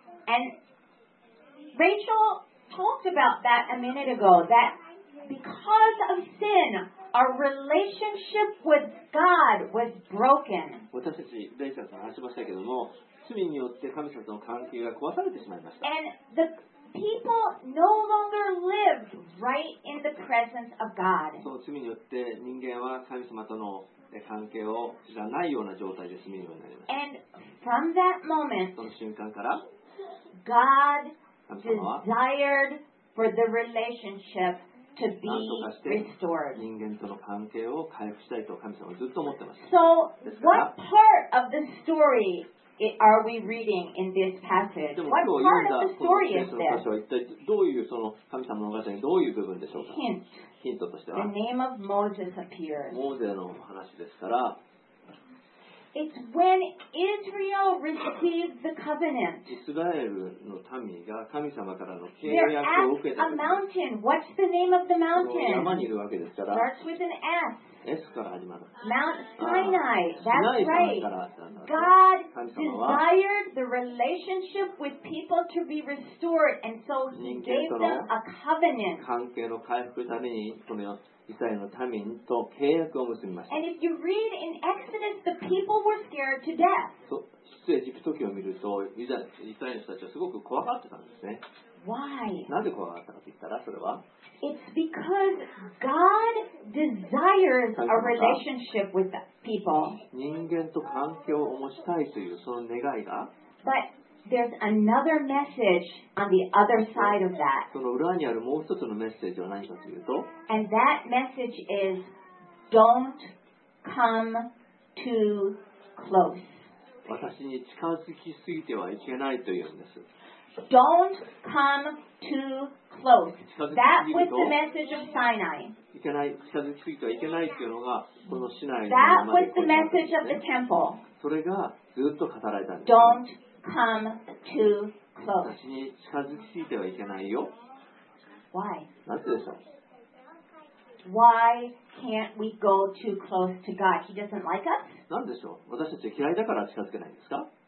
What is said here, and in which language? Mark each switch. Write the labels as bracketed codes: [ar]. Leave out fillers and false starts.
[en] And Rachel talked about that a minute ago, that because of sin. Our relationship with God was broken. [ja] 私たち、レイさんと話しましたけども、罪によって神様との関係が壊されてしまいました。 [en] And the people no longer live right in the presence of God. [ja] その罪によって人間は神様との関係を知らないような状態で住むようになりました。 [en] And from that moment, [ja] その瞬間から、 [en] God desired for the relationship. [ja] 何とかして人間との関係を回復したいと神様はずっと思ってました。 [en] So, what part of the story are we reading in this passage? What part of the story is this? [ja] 今日読んだこの聖書の箇所は一体どういうその神様の物語にどういう部分でしょうか。ヒントとしては、 [en] The name of Moses appears. [ja] モーゼの話ですから、 [en] It's when Israel received the covenant. [ja] イスラエルの民が神様からの契約を受けた。 [en] A mountain. What's the name of the mountain? [ja] 山にいるわけですから。 [en] Starts with an S. [ja] S から始まる。 [en] Mount Sinai. That's right. God desired the relationship with people to be restored, and so He gave them a covenant. [ja] 関係の回復のためにこのイスラエルの民と契約を結びました。 [en] And if you read in Exodus, the people were scared to death. [ja] そう、出エジプト記を見ると、イスラエルの人たちはすごく怖がってたんですね。 [en] Why? [ja] なぜ怖がったかと言ったら、それは。 [en] It's because God desires a relationship with the people. [ja] 人間と関係を持ちたいというその願いが。 [en] But there's another message on the other side of that. [ja] その裏にあるもう一つのメッセージは何かというと。 [en] And that message is, don't come too close. [ja] 私に近づきすぎてはいけないというんです。 [en] Don't come too close. That was the message of Sinai. [ja] いけない、近づきすぎてはいけないというのがこのシナイ。 [en] That was the message of the temple. [ja] それがずっと語られたんです。 [en] Don't come too close. [ja] 私に近づきすぎてはいけないよ。 [en] Why? [ja] なぜでしょう。 [en] Why can't we go too close to God? He doesn't like us? [ja] なんでしょう。私たちは嫌いだから近づけないんですか。